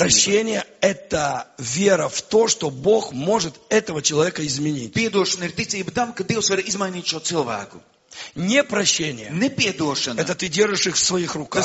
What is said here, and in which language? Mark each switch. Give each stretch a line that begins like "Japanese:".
Russian: Прощение, это вера в то, что Бог может этого человека изменить.
Latvian: Piedošana ir ticība tam, ka Dievs var izmainīt šo cilvēku.
Russian: Не прощение. Не
Latvian: piedošana.
Russian: Это ты держишь их в своих руках.